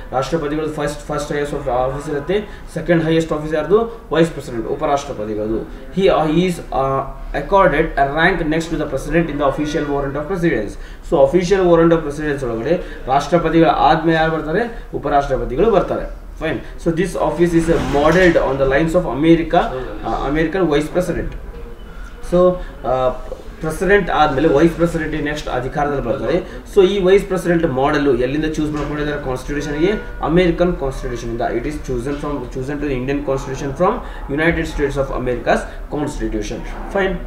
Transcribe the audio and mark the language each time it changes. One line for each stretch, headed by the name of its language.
Kannada: ರಾಷ್ಟ್ರಪತಿಗಳು first highest office ಇರುತ್ತೆ. Second highest office ಯಾರ್ದು?
English: vice president,
Kannada: ಉಪರಾಷ್ಟ್ರಪತಿಗಳದು.
English: He is accorded rank next to the president in the official warrant of precedence.
Kannada: So official warrant of precedence ಒಳಗಡೆ ರಾಷ್ಟ್ರಪತಿಗಳ ಆದ್ಮೇಲೆ ಯಾರು ಬರ್ತಾರೆ? ಉಪರಾಷ್ಟ್ರಪತಿಗಳು ಬರ್ತಾರೆ. Fine.
English: So this office is modeled on the lines of America, American Vice President.
Kannada: So president ಆದಮೇಲೆ vice president next ಅಧಿಕಾರದಲ್ಲಿ ಬರ್ತದೆ. So ಈ vice president ಮಾಡಲು ಎಲ್ಲಿಂದ ಚೂಸ್ ಮಾಡ್ಕೊಂಡಿದ್ದಾರೆ ಕಾನ್ಸ್ಟಿಟ್ಯೂಷನ್ಗೆ? ಅಮೇರಿಕನ್ ಕಾನ್ಸ್ಟಿಟ್ಯೂಷನ್ ಇಂದ.
English: It is chosen from chosen to Indian constitution from United States of America's constitution. Fine.